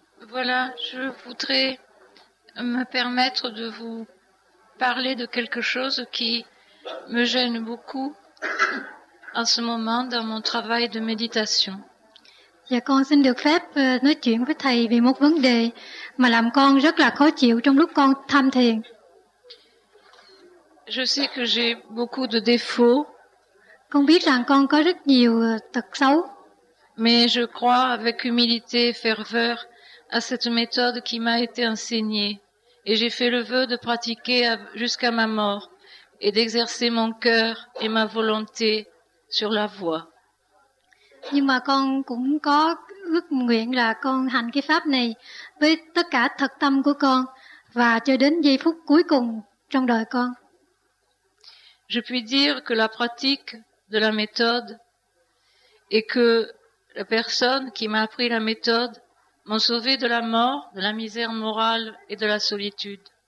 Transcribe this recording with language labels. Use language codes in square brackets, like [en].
[fr] Voilà, je voudrais me permettre de vous parler de quelque chose qui me gêne beaucoup en ce moment dans mon travail de méditation. [vi] Dạ, con xin được phép nói chuyện với thầy về một vấn đề mà làm con rất là khó chịu trong lúc con tham thiền. [fr] Je sais que j'ai beaucoup de défauts. [vi] Con biết rằng con có rất nhiều tật xấu. [fr] Mais je crois avec humilité et ferveur à cette méthode qui m'a été enseignée. Et j'ai fait le vœu de pratiquer jusqu'à ma mort et d'exercer mon cœur et ma volonté sur la voie. [vi] Nhưng mà con cũng có ước nguyện là con hành cái pháp này với tất cả thật tâm của con và cho đến giây phút cuối cùng trong đời con. [fr] Je puis dire que la pratique de la méthode et que la personne qui m'a appris la méthode m'ont sauvé de la mort, de la misère morale et de la solitude.